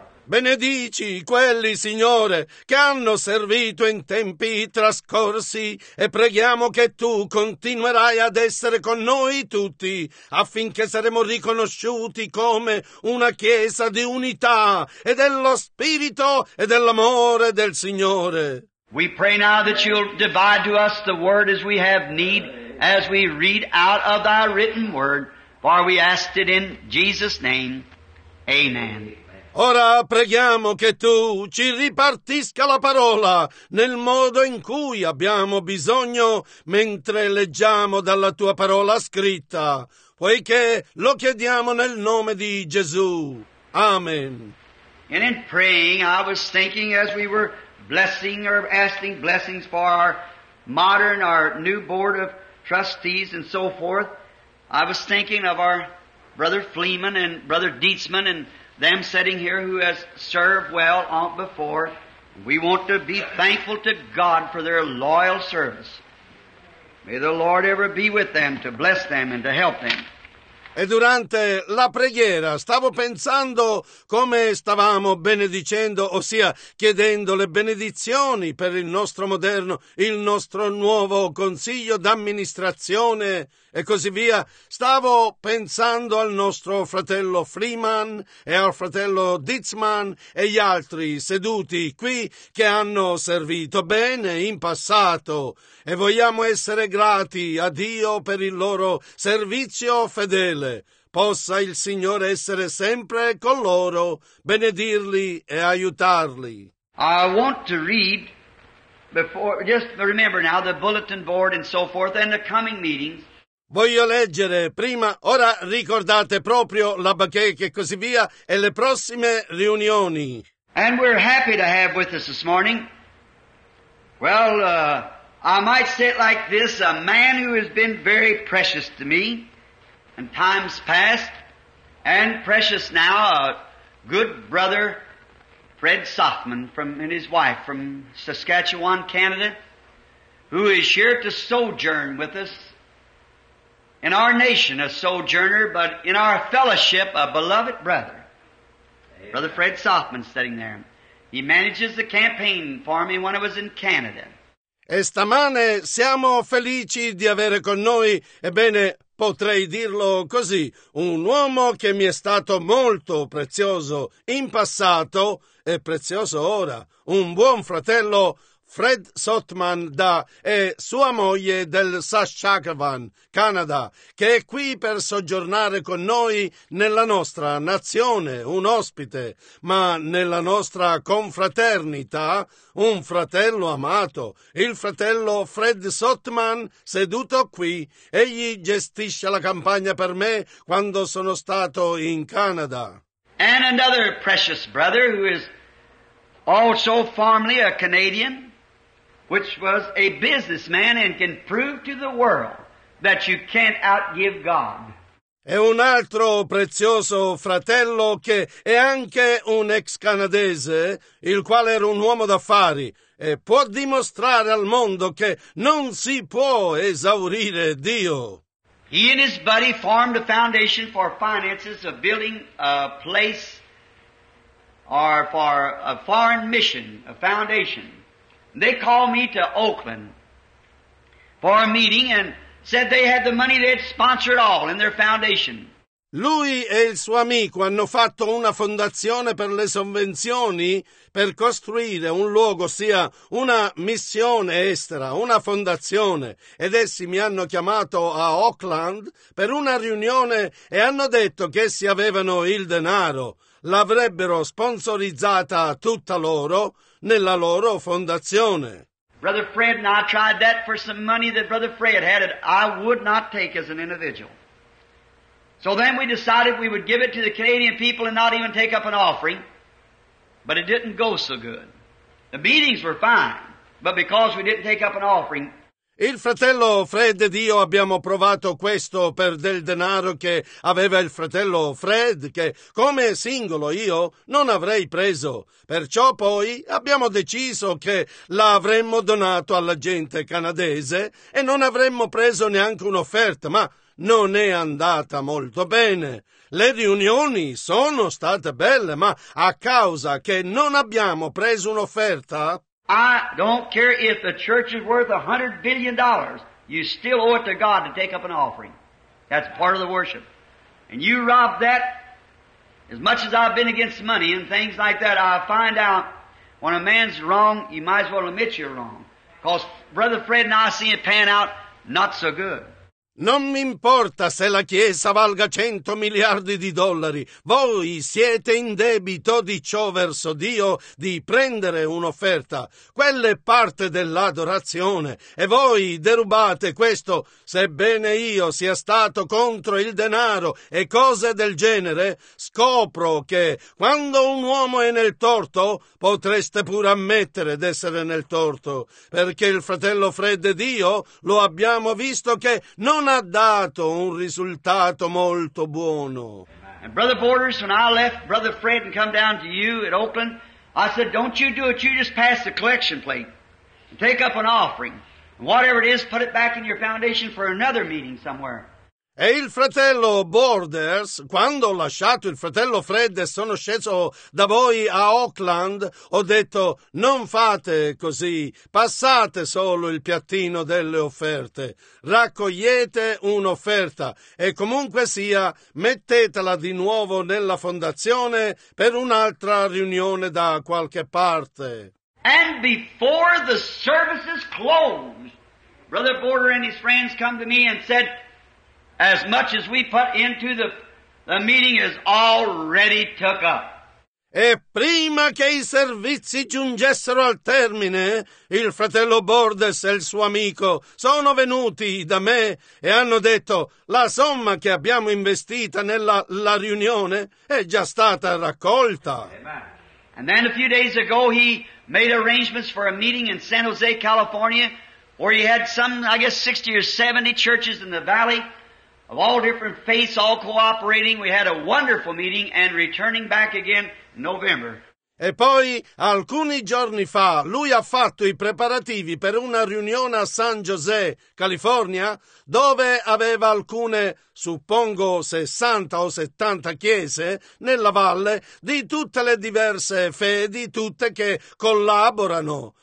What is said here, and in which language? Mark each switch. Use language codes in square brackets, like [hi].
[it] Benedici quelli, Signore, che hanno servito in tempi trascorsi e preghiamo che Tu continuerai ad essere con noi tutti affinché saremo riconosciuti come una chiesa di unità e dello spirito e dell'amore del Signore. [en] We pray now that you'll divide to us the word as we have need, as we read out of thy written word, for we ask it in Jesus' name. Amen. [it] Ora preghiamo che tu ci ripartisca la parola nel modo in cui abbiamo bisogno mentre leggiamo dalla tua parola scritta, poiché lo chiediamo nel nome di Gesù. Amen. [en] And in praying, I was thinking as we were blessing or asking blessings for our modern, our new board of trustees and so forth, I was thinking of our brother Fleeman and brother Dietzman and them sitting here who has served well on before. We want to be thankful to God for their loyal service. May the Lord ever be with them to bless them and to help them. [it] E durante la preghiera stavo pensando come stavamo benedicendo, ossia chiedendo le benedizioni per il nostro moderno, il nostro nuovo consiglio d'amministrazione e così via. Stavo pensando al nostro fratello Freeman e al fratello Ditzman e gli altri seduti qui che hanno servito bene in passato e vogliamo essere grati a Dio per il loro servizio fedele. Possa il Signore essere sempre con loro, benedirli e aiutarli. [en] I want to read before, just remember now, the bulletin board and so forth and the coming meetings. [it] Voglio leggere prima, ora ricordate proprio la bacheca e così via e le prossime riunioni. [en] And we're happy to have with us this morning. Well, I might say it like this, a man who has been very precious to me. In times past, and precious now, a good brother, Fred Softman, and his wife from Saskatchewan, Canada, who is here to sojourn with us. In our nation, a sojourner, but in our fellowship, a beloved brother. Amen. Brother Fred Softman sitting there. He manages the campaign for me when I was in Canada. [it] E stamane siamo felici di avere con noi, ebbene, potrei dirlo così, un uomo che mi è stato molto prezioso in passato e prezioso ora, un buon fratello Fred Sotman da e sua moglie del Saskatchewan, Canada, che è qui per soggiornare con noi nella nostra nazione, un ospite, ma nella nostra confraternita, un fratello amato, il fratello Fred Sotman, seduto qui. Egli gestisce la campagna per me quando sono stato in Canada. [en] And another precious brother who is also formerly a Canadian, which was a businessman and can prove to the world that you can't outgive God. [it] È un altro prezioso fratello che è anche un ex canadese, il quale era un uomo d'affari e può dimostrare al mondo che non si può esaurire Dio. [en] He and his buddy formed a foundation for finances of building a place or for a foreign mission, a foundation. They called me to Oakland for a meeting and said they had the money they'd sponsor it all in their foundation. [it] Lui e il suo amico hanno fatto una fondazione per le sovvenzioni per costruire un luogo, ossia una missione estera, una fondazione. Ed essi mi hanno chiamato a Oakland per una riunione e hanno detto che essi avevano il denaro. L'avrebbero sponsorizzata tutta loro nella loro fondazione. [en] Brother Fred and I tried that for some money that Brother Fred had it. I would not take as an individual. So then we decided we would give it to the Canadian people and not even take up an offering. But it didn't go so good. The meetings were fine, but because we didn't take up an offering. [it] Il fratello Fred ed io abbiamo provato questo per del denaro che aveva il fratello Fred, che come singolo io non avrei preso. Perciò poi abbiamo deciso che l'avremmo donato alla gente canadese e non avremmo preso neanche un'offerta, ma non è andata molto bene. Le riunioni sono state belle, ma a causa che non abbiamo preso un'offerta... [en] I don't care if the church is worth $100 billion, you still owe it to God to take up an offering. That's part of the worship. And you rob that, as much as I've been against money and things like that, I find out when a man's wrong, you might as well admit you're wrong. Because Brother Fred and I see it pan out not so good. [it] Non mi importa se la Chiesa valga 100 miliardi di dollari, voi siete in debito di ciò verso Dio di prendere un'offerta. Quella è parte dell'adorazione e voi derubate questo, sebbene io sia stato contro il denaro e cose del genere. Scopro che quando un uomo è nel torto, potreste pure ammettere d'essere nel torto, perché il fratello Fred e Dio lo abbiamo visto che non ha dato un risultato molto buono. [en] And Brother Borders, when I left Brother Fred and come down to you at Oakland, I said, don't you do it, you just pass the collection plate and take up an offering. Whatever it is, put it back in your foundation for another meeting somewhere. [it] E il fratello Borders, quando ho lasciato il fratello Fred e sono sceso da voi a Oakland, ho detto, non fate così, passate solo il piattino delle offerte, raccogliete un'offerta e comunque sia, mettetela di nuovo nella fondazione per un'altra riunione da qualche parte. [en] And before the services closed, Brother Border and his friends come to me and said, as much as we put into the meeting is already took up. [it] E prima che i servizi giungessero al termine, il fratello Bordes e il suo amico sono venuti da me e hanno detto la somma che abbiamo investita nella la riunione è già stata raccolta. Amen. [en] And then a few days ago he made arrangements for a meeting in San Jose, California, where he had some, I guess, 60 or 70 churches in the valley. Of all different faiths, all cooperating, we had a wonderful meeting and returning back again in November. [it] E poi, alcuni giorni fa, lui ha fatto i preparativi per una riunione a San José, California, dove aveva alcune, suppongo, 60 o 70 chiese nella valle di tutte le diverse fedi, tutte che collaborano.